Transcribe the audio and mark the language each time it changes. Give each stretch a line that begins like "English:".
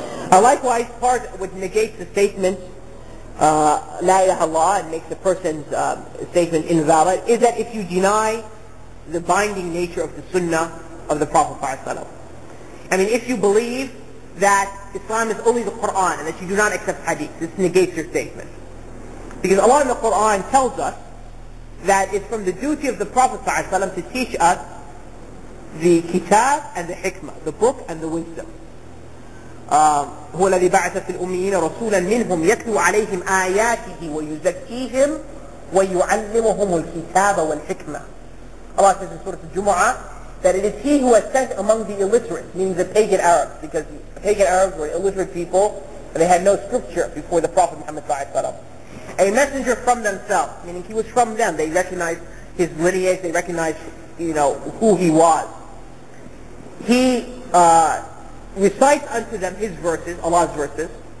English: Likewise, part which negates the statement, La ilaha illallah, and makes a person's statement invalid, is that if you deny the binding nature of the sunnah of the Prophet ﷺ. I mean, if you believe that Islam is only the Quran and that you do not accept hadith. This negates your statement. Because Allah in the Quran tells us that it's from the duty of the Prophet ﷺ to teach us the kitab and the hikmah, the book and the wisdom.
Arabic: هو الذي بعث في الأميين رسولا منهم يتلو عليهم آياته ويزكيهم ويعلمهم الكتاب والحكمة.
English: Allah says in Surah Al-Jumu'ah that it is He who has sent among the illiterate, meaning the pagan Arabs, because the pagan Arabs were illiterate people and they had no scripture before the Prophet Muhammad sallallahu alaihi wasallam. A messenger from themselves, meaning he was from them. They recognized his lineage. They recognized, you know, who he was. He recites unto them his verses, Allah's verses.